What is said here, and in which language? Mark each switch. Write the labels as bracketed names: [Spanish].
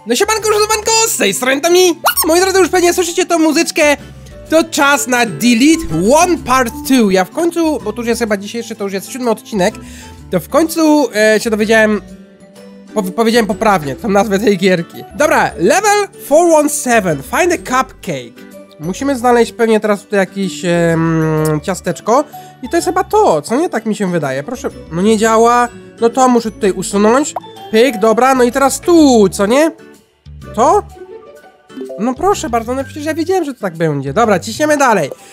[Polish] No siemanko, żadowanko, z tej strony to mi! Moi drodzy, już pewnie słyszycie tą muzyczkę. To czas na Delete One Part 2. Ja w końcu, bo to już jest chyba dzisiejszy, to już jest 7 odcinek, to w końcu się dowiedziałem... Powiedziałem poprawnie tą nazwę tej gierki. [English] Dobra, level 417, find a cupcake. [Polish] Musimy znaleźć pewnie teraz tutaj jakieś ciasteczko. I to jest chyba to, co nie, tak mi się wydaje. Proszę, no nie działa. No to muszę tutaj usunąć. Pyk, dobra, no i teraz tu, co nie? To? No proszę bardzo, no przecież ja wiedziałem, że to tak będzie. Dobra, ciśniemy dalej.